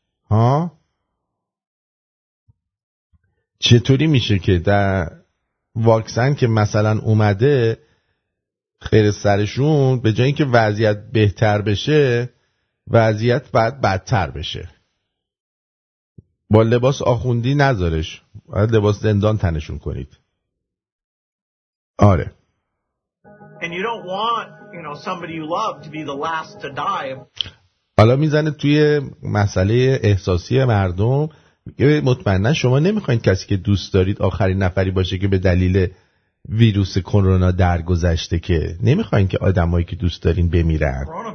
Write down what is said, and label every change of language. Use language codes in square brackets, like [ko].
[fa] ها چطوری میشه که در واکسن که مثلا اومده خیر سرشون، به جای اینکه وضعیت بهتر بشه وضعیت بعد بدتر بشه؟ با لباس آخوندی نذارش، باید لباس زندان تنشون کنید. آره [en] And you don't want, you know, somebody you love to be the last to die. [fa] حالا میزنه توی مسئله احساسی مردم، میگه مطمئنا شما نمیخواین کسی که دوست دارید آخرین نفری باشه که به دلیل ویروس کرونا درگذشته، که نمیخواین که آدمایی که دوست دارین بمیرن.